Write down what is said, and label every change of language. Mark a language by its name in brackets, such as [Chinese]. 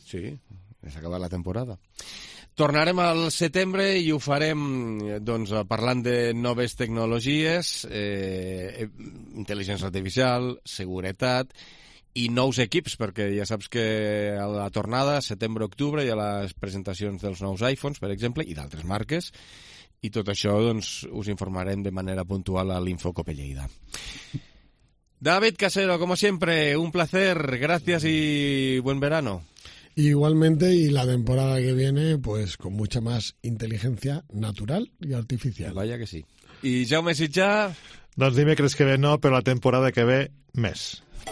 [Catalan] Sí, és acabat la temporada. Tornarem al setembre i ho farem doncs parlant de noves tecnologies, intel·ligència artificial, seguretat i nous equips, perquè ja saps que a la tornada, setembre-octubre, hi ha les presentacions dels nous iPhones, per exemple, i d'altres marques, i tot això doncs us informarem de manera puntual a l'Infocope Lleida. [Spanish] David Casero, como siempre, un placer, gracias y buen verano. Igualmente, y la temporada que viene, pues con mucha más inteligencia natural y artificial. Vaya que sí. Y Jaume Sitjà... [Catalan] Doncs dimecres que ve no, però la temporada que ve, més.